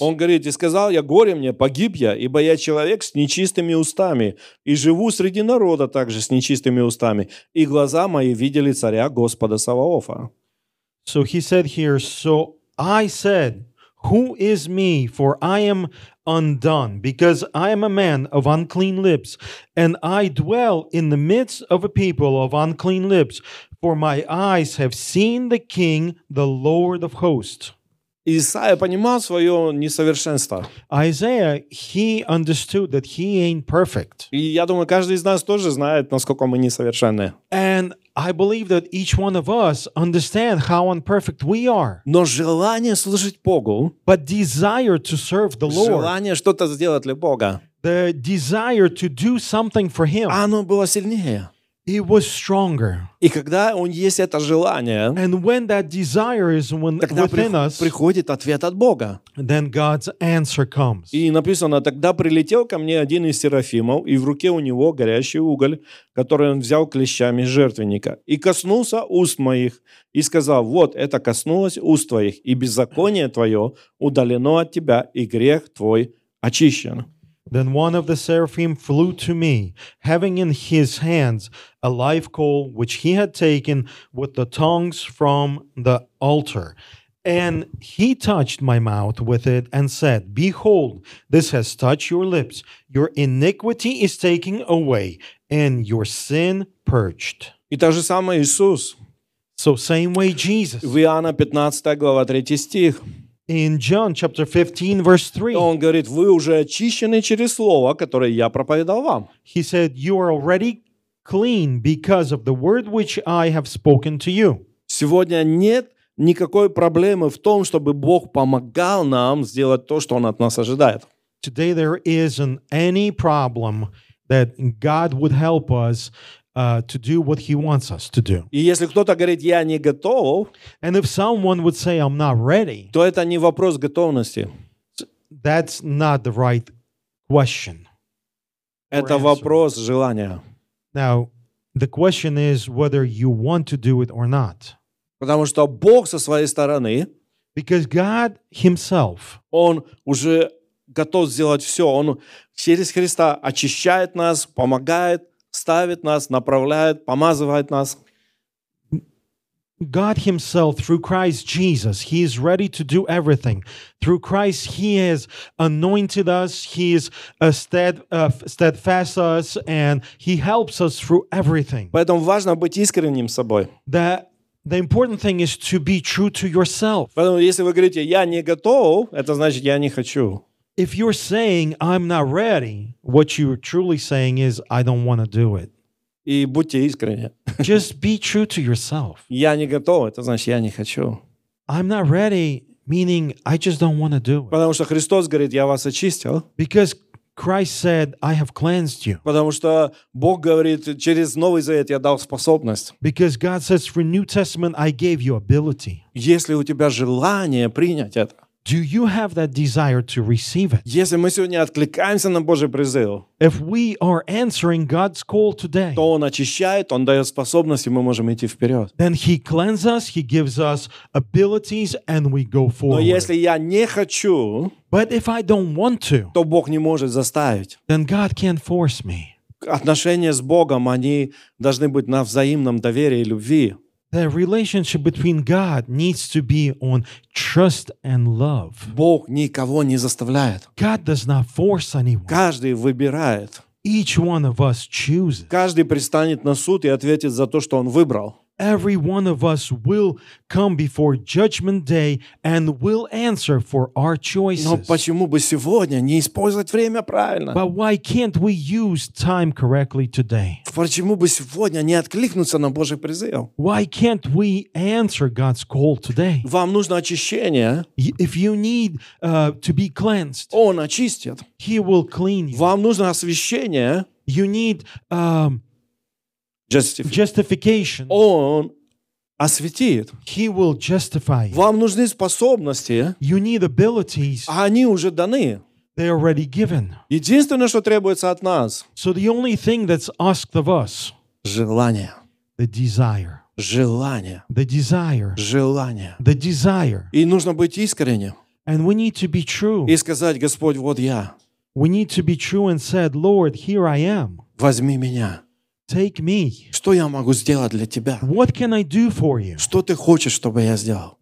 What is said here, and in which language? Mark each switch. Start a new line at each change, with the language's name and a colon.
Russian: Он говорит, и сказал я, горе мне, погиб я, ибо я человек с нечистыми устами, и живу среди народа также с нечистыми устами, и глаза мои видели царя Господа Саваофа.
English: So he said here, so I said, who is me, for I am undone, because I am a man of unclean lips, and I dwell in the midst of a people of unclean lips, for my eyes have seen the King, the Lord of hosts.
Russian: Исаия понимал свое несовершенство.
English: Isaiah, he understood that he ain't perfect.
Russian: И я думаю, каждый из нас тоже знает, насколько мы несовершенны.
English: And I believe that each one of us understand how unperfect we are.
Russian: Но желание служить Богу,
English: but desire to serve the Lord,
Russian: желание что-то сделать для Бога,
English: the desire to do something for Him,
Russian: оно было сильнее.
English: It was stronger.
Russian: И когда он есть это желание,
English: and when that desire is when,
Russian: тогда
English: within us,
Russian: приходит ответ от Бога.
English: Then God's answer comes.
Russian: И написано, тогда прилетел ко мне один из серафимов, и в руке у него горящий уголь, который он взял клещами жертвенника, и коснулся уст моих, и сказал, вот это коснулось уст твоих, и беззаконие твое удалено от тебя, и грех твой очищен.
English: Then one of the seraphim flew to me, having in his hands a live coal, which he had taken with the tongs from the altar. And he touched my mouth with it and said, behold, this has touched your lips. Your iniquity is taken away and your sin purged.
Russian: И та же самая Иисус.
English: So same way Jesus.
Russian: В Иоанна 15 глава 3 стих.
English: In John chapter 15, verse 3.
Russian: Он говорит, вы уже очищены через слово, которое я проповедовал вам.
English: He said, you are already clean because of the word which I have spoken to you.
Russian: Сегодня нет никакой проблемы в том, чтобы Бог помогал нам сделать то, что Он от нас ожидает.
English: Today there isn't any problem that God would help us to do what he wants us to do.
Russian: И если кто-то говорит, я не готов,
English: and if someone would say, I'm not ready,
Russian: то это не вопрос готовности.
English: That's not the right question.
Russian: Это вопрос желания.
English: Now, the question is whether you want to do it or not.
Russian: Потому что Бог со своей стороны,
English: because God himself,
Russian: он уже готов сделать все. Он через Христа очищает нас, помогает, ставит нас, направляет, помазывает нас.
English: God himself through Christ Jesus, he is ready to do everything. Through Christ he has anointed us, he is steadfast us, and he helps us through everything.
Russian: Поэтому важно быть искренним с собой.
English: The important thing is to be true to yourself.
Russian: Поэтому если вы говорите, я не готов, это значит, я не хочу.
English: If you're saying, I'm not ready, what you're truly saying is, I don't want to do it.
Russian: И будьте искренне.
English: Just be true to yourself.
Russian: Я не готов, это значит, я не хочу.
English: I'm not ready, meaning, I just don't want to do it.
Russian: Потому что Христос говорит, я вас очистил.
English: Because Christ said, I have cleansed you.
Russian: Потому что Бог говорит, через Новый Завет я дал способность.
English: Because God says, for New Testament, I gave you ability.
Russian: Если у тебя желание принять это,
English: do you have that desire to receive it?
Russian: Если мы сегодня откликаемся на Божий призыв,
English: if we are answering God's call today,
Russian: то Он очищает, Он дает способность, и мы можем идти вперед.
English: Then He cleanses us, He gives us abilities, and we go forward.
Russian: Но если я не хочу,
English: but if I don't want to,
Russian: то Бог не может заставить.
English: Then God can't force me.
Russian: Отношения с Богом, они должны быть на взаимном доверии и любви.
English: The relationship between God needs to be on trust and love.
Russian: Бог никого не заставляет.
English: God does not force anyone.
Russian: Каждый выбирает.
English: Each one of us chooses.
Russian: Каждый предстанет на суд и ответит за то, что он выбрал.
English: every one of us will come before judgment day and will answer for our choices.
Russian: Но почему бы сегодня не использовать время правильно?
English: But why can't we use time correctly today?
Russian: Почему бы сегодня не откликнуться на Божий призыв?
English: Why can't we answer God's call today?
Russian: Вам нужно очищение.
English: If you need to be cleansed.
Russian: Он очистит.
English: He will clean you.
Russian: Вам нужно освящение.
English: You need Justification.
Russian: Он осветит.
English: He will justify.
Russian: Вам нужны способности.
English: You need abilities.
Russian: Они уже даны.
English: They are already given.
Russian: Единственное, что требуется от нас.
English: So the only thing that's asked of us.
Russian: Желание.
English: The desire.
Russian: Желание.
English: The desire.
Russian: Желание.
English: The desire.
Russian: И нужно быть искренним.
English: And we need to be true.
Russian: И сказать: Господь, вот я.
English: We need to be true and said, Lord, here I am.
Russian: Возьми меня.
English: Take me.
Russian: Что я могу сделать для тебя?
English: What can I do for you?
Russian: Что ты хочешь, чтобы я сделал?